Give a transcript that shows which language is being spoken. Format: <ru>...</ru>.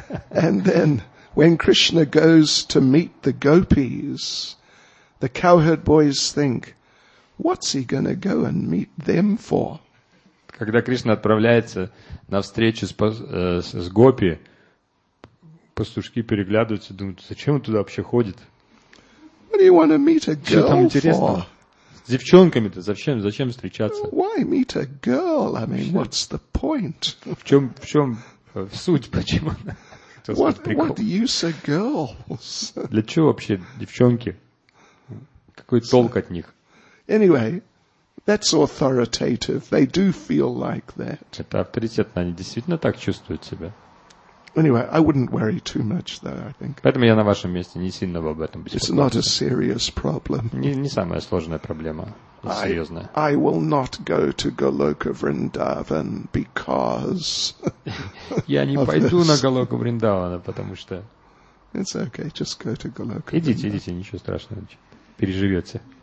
<en>And then when Krishna goes to meet the gopis, the cowherd boys think, what's he going to go and meet them for?</en> <ru>Когда Кришна отправляется на встречу с гопи, пастушки переглядываются, думают, зачем он туда вообще ходит?</ru> <en>What do you want to meet a girl for?</en> <ru>Что там интересно? С девчонками-то зачем встречаться?</ru> <en>Why meet a girl? I mean, what's the point?</en> <ru>В чем суть, почему?</ru> <en>What use are girls?</en> <ru>Для чего вообще девчонки? Какой толк от них?</ru> <en>Anyway, that's authoritative. They do feel like that.</en> <ru>Это авторитетно, они действительно так чувствуют себя.</ru> <en>Anyway, I wouldn't worry too much, though, I think.</en> <ru>Поэтому я на вашем месте не сильно бы об этом беспокоился.</ru> <en>It's not a serious problem.</en> <ru>Не самая сложная проблема, серьезная.</ru> <en>I will not go to Goloka Vrindavan because.</en> <ru>Я не пойду на Голоку Вриндавана, потому что.</ru> <en>It's okay, just go to Goloka.</en> <ru>Идите, ничего страшного, переживете.</ru>